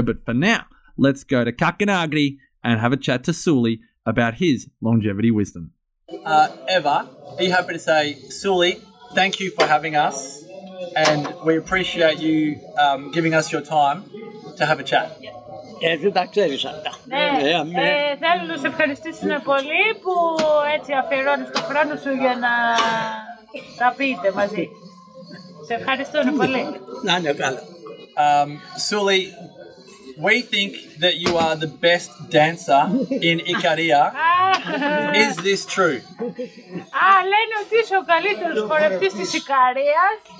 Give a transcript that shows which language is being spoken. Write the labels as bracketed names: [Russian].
[English] But for now, let's go to Kakinagri and have a chat to Suli about his longevity wisdom. Eva, are you happy to say, Suli, thank you for having us, and we appreciate you giving us your time to have a chat? [Greek] Έτσι τα ξέρεις αυτά. Ναι. Θέλω να σε ευχαριστήσω πολύ που έτσι αφιερώνεις το χρόνο σου για να τα πείτε μαζί. Σε ευχαριστώ πολύ. Να είναι καλά. [English] Suli, we think that you are the best dancer in Ikaria. Is this true? [Greek] Λένε ότι είσαι ο καλύτερος χορευτής της Ικαρίας.